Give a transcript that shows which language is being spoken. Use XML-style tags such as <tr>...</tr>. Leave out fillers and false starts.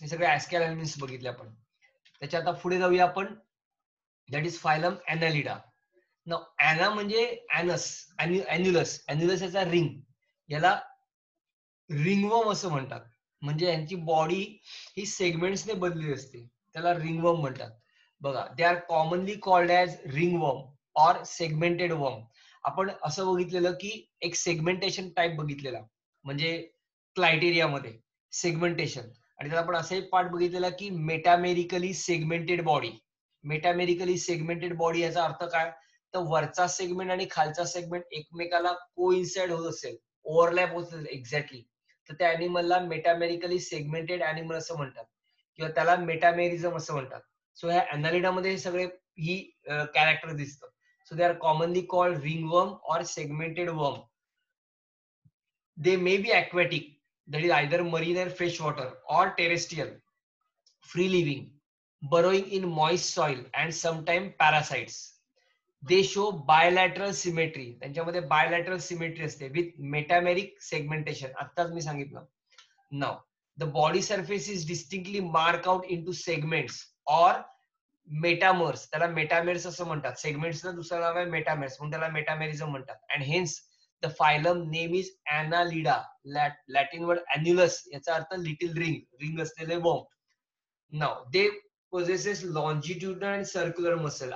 <mr>हे सगळे ऍस्कॅल अॅनिमल्स बघितले आपण. त्याच्या आता पुढे जाऊया आपण.</mr> <en>That is phylum Annelida.</en> <mr>अॅना म्हणजे अॅनस, अॅन्युलस. अॅन्युलस याचा रिंग, याला रिंगवर्म असं म्हणतात. म्हणजे यांची बॉडी ही सेगमेंट्सने बदलली असते, त्याला रिंगवर्म म्हणतात.</mr> <en>बघा they are commonly called as ringworm or segmented worm.</en> <mr>आपण असं बघितलेलं की एक सेगमेंटेशन टाईप बघितलेला, म्हणजे क्लायटेरियामध्ये सेगमेंटेशन. आणि त्याला आपण असा एक पार्ट बघितलेला की metamerically segmented body. Metamerically segmented body याचा अर्थ काय? तर वरचा सेगमेंट आणि खालचा सेगमेंट एकमेकाला कोइन्साइड होत असेल, ओव्हरलॅप होत असेल एक्झॅक्टली, तर त्या अॅनिमलला मेटामेरिकली सेगमेंटेड अॅनिमल असं म्हणतात, किंवा त्याला मेटामेरिझम असं म्हणतात. सो ह्या अॅनालिडामध्ये हे सगळे ही कॅरेक्टर दिसतं.</mr> <en>So they are commonly called ring worm or segmented worm. They may be aquatic that is either marine or fresh water or terrestrial free living burrowing in moist soil and sometime parasites. They show bilateral symmetry.</en> <mr>त्यांच्यामध्ये bilateral symmetry असते</mr> <en>With metameric segmentation.</en> <mr>आत्ताच मी सांगितलं.</mr> <en>Now the body surface is distinctly mark out into segments or metamers.</en> <mr>त्याला मेटामेर्स असं म्हणतात. सेगमेंट्सचा दुसरा नाव आहे मेटामेर्स, म्हणून त्याला मेटामेरिझम म्हणतात.</mr> <en>And hence the phylum name is Annelida. Latin word annulus</en> <mr>याचा अर्थ</mr> <en>Little ring, ring असलेले worm. Now they possesses longitudinal and circular muscle.</en>